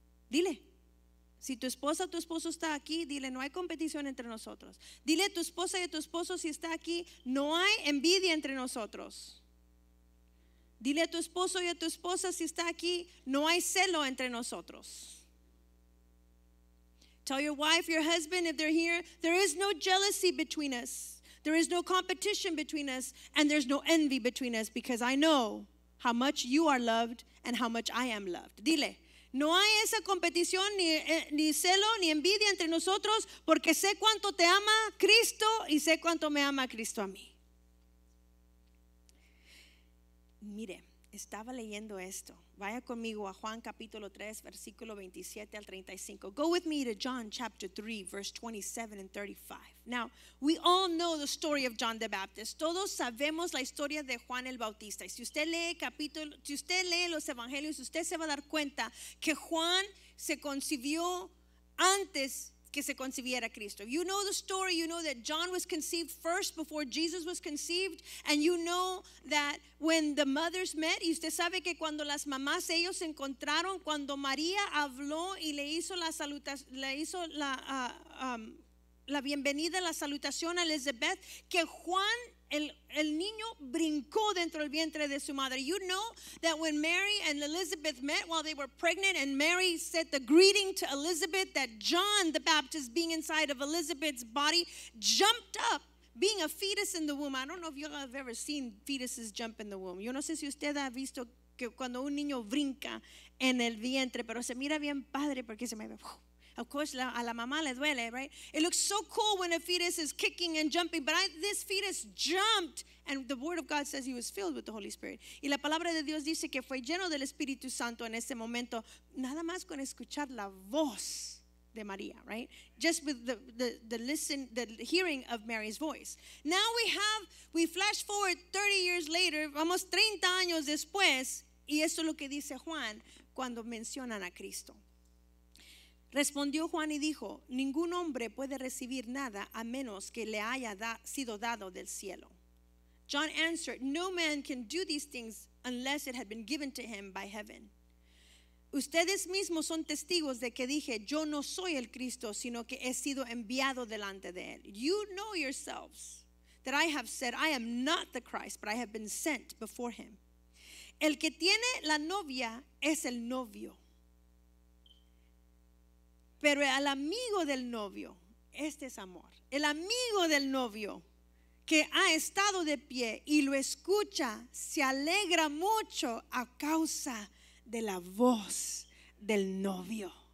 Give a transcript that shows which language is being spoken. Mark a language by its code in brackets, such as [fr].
[es] Dile, si tu esposa o tu esposo está aquí, dile, no hay competición entre nosotros. Dile a tu esposa y a tu esposo si está aquí, no hay envidia entre nosotros. Dile a tu esposo y a tu esposa si está aquí, no hay celo entre nosotros. [en] Tell your wife, your husband, if they're here, there is no jealousy between us. There is no competition between us and there's no envy between us because I know how much you are loved and how much I am loved. Dile, no hay esa competición ni celo ni envidia entre nosotros porque sé cuánto te ama Cristo y sé cuánto me ama Cristo a mí. [es] Mire, estaba leyendo esto. Vaya conmigo a Juan capítulo 3, versículo 27 al 35. [en] Go with me to John chapter 3, verse 27 and 35. Now, we all know the story of John the Baptist. [es] Todos sabemos la historia de Juan el Bautista. Y si usted lee los evangelios, usted se va a dar cuenta que Juan se concibió antes que se concibiera Cristo. [en] You know the story, you know that John was conceived first before Jesus was conceived, and you know that when the mothers met, [es] y usted sabe que cuando las mamás ellos se encontraron, cuando María habló y le hizo la salutación, le hizo la bienvenida, la salutación a Elizabeth, que Juan el niño brincó dentro del vientre de su madre. [en] You know that when Mary and Elizabeth met while they were pregnant and Mary said the greeting to Elizabeth, that John the Baptist being inside of Elizabeth's body jumped up being a fetus in the womb. I don't know if you have ever seen fetuses jump in the womb. [es] Yo no sé si usted ha visto que cuando un niño brinca en el vientre, pero se mira bien padre porque se me ve. [en] Of course, [es] a la mamá le duele, [en] right? It looks so cool when a fetus is kicking and jumping, but this fetus jumped, and the Word of God says he was filled with the Holy Spirit. [es] Y la palabra de Dios dice que fue lleno del Espíritu Santo en ese momento, nada más con escuchar la voz de María, [en] right? Just with the hearing of Mary's voice. Now we flash forward 30 years later, [es] vamos 30 años después, y eso es lo que dice Juan cuando mencionan a Cristo. Respondió Juan y dijo: ningún hombre puede recibir nada a menos que le haya sido dado del cielo. [en] John answered: no man can do these things unless it had been given to him by heaven. [es] Ustedes mismos son testigos de que dije: yo no soy el Cristo, sino que he sido enviado delante de él. [en] You know yourselves that I have said I am not the Christ, but I have been sent before him. [es] El que tiene la novia es el novio. Pero al amigo del novio, este es amor, el amigo del novio que ha estado de pie y lo escucha, se alegra mucho a causa de la voz del novio.